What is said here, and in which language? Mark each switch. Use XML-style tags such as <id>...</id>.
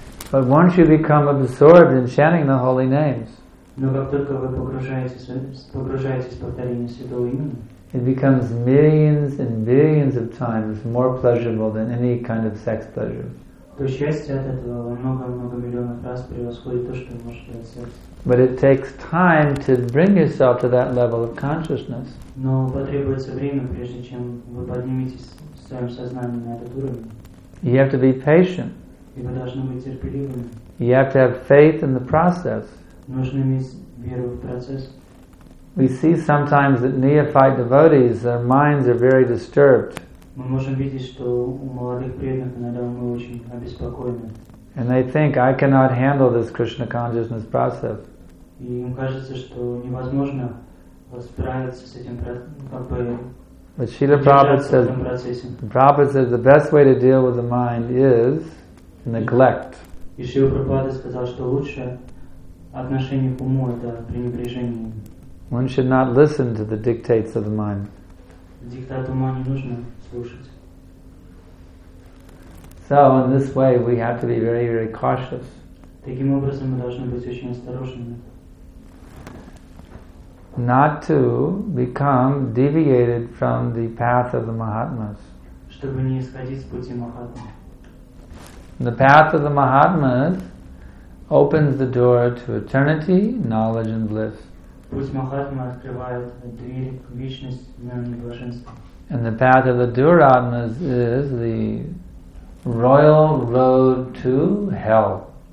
<en>But once you become absorbed in chanting the holy names, it becomes millions and billions of times more pleasurable than any kind of sex pleasure.</en> <ru>То счастье от этого много-много миллионов раз превосходит то, что вы можете от сердца.</ru> <en>But it takes time to bring yourself to that level of consciousness.</en> <ru>Но потребуется время, прежде чем вы подниметесь в своем сознании на этот уровень.</ru> <en>You have to be patient.</en> <ru>И вы должны быть терпеливыми.</ru> <en>You have to have faith in the process.</en> <ru>Нужно иметь веру в процесс.</ru> <en>We see sometimes that neophyte devotees, their minds are very disturbed.</en> <ru>Мы можем видеть, что у молодых преданных иногда мы очень обеспокоены.</ru> <en>And they think, I cannot handle this Krishna consciousness process.</en> <ru>И им кажется, что невозможно справиться с этим процессом.</ru> <en>But Prabhupada says the best way to deal with the mind is neglect.</en> <ru>И Шрила Прабхупада сказал, что лучшее отношение к уму — это пренебрежение.</ru> <en>One should not listen to the dictates of the mind.</en> <ru>Диктат ума не нужно.</ru> <en>So in this way we have to be very, very cautious.</en> <ru>Таким образом, мы должны быть очень осторожными.</ru> <en>Not to become deviated from the path of the Mahatmas.</en> <ru>Чтобы не исходить с пути Махатмы.</ru> <en>The path of the Mahatmas opens the door to eternity, knowledge and bliss.</en> <ru>Путь Махатмы открывает дверь к вечности, знанию и блаженству.</ru> <en>And the path of the Duratmas is the royal road to hell.</en>